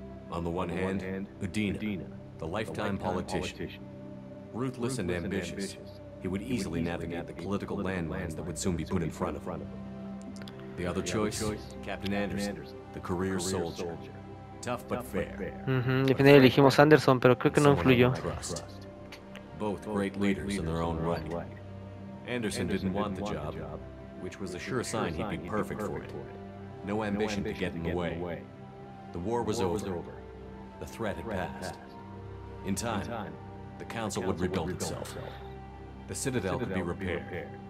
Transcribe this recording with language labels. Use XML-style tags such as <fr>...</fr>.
<en>On the one hand, Udina, the lifetime politician. Ruthless and ambitious, he would easily navigate the political landmines that would soon be put in front of him. The other choice, Captain Anderson, the career soldier. Tough but fair.</en> <es>Al final elegimos Anderson, pero creo que no influyó.</es> <en>Both great leaders in their own right. Anderson didn't want the job, which was a sure sign he'd be perfect for it. No ambition to get in the way. The war was over. The threat had passed. In time, the council would rebuild itself. The Citadel could be repaired.</en>